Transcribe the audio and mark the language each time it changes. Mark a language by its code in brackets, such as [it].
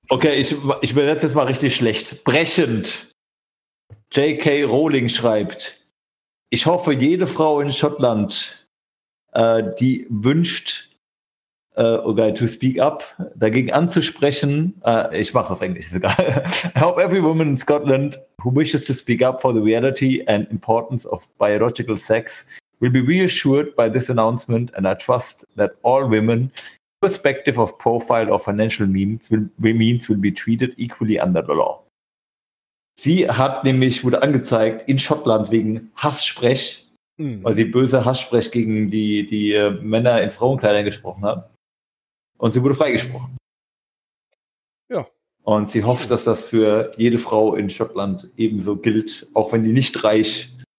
[de] Okay, ich übersetze jetzt mal richtig schlecht. Brechend. J.K. Rowling schreibt: Ich hoffe, jede Frau in Schottland, die wünscht, okay, [en] to speak up, [de] dagegen anzusprechen, ich mach's auf Englisch, ist egal. [en] I hope every woman in Scotland who wishes to speak up for the reality and importance of biological sex will be reassured by this announcement, and I trust that all women, irrespective of profile or financial means, will be treated equally under the law. [de] Sie hat nämlich, wurde angezeigt, in Schottland wegen Hasssprech, weil sie böse Hasssprech gegen die Männer in Frauenkleidern gesprochen hat. Und sie wurde freigesprochen. Ja. Und sie hofft, dass das für jede Frau in Schottland ebenso gilt, auch wenn die nicht reich.